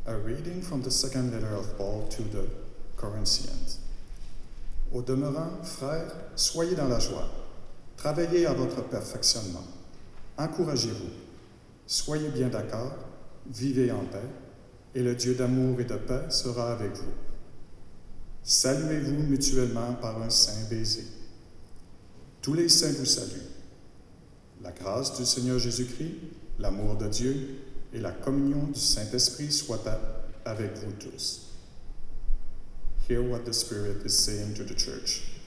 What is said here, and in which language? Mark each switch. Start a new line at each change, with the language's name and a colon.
English: reading from the second letter of Paul to the Corinthians.
French: Au demeurant, frères, soyez dans la joie. Travaillez à votre perfectionnement. Encouragez-vous. Soyez bien d'accord. Vivez en paix. Et le Dieu d'amour et de paix sera avec vous. Saluez-vous mutuellement par un saint baiser. Tous les saints vous saluent. La grâce du Seigneur Jésus-Christ, l'amour de Dieu et la communion du Saint-Esprit soient avec vous tous.
English: Hear what the Spirit is saying to the church.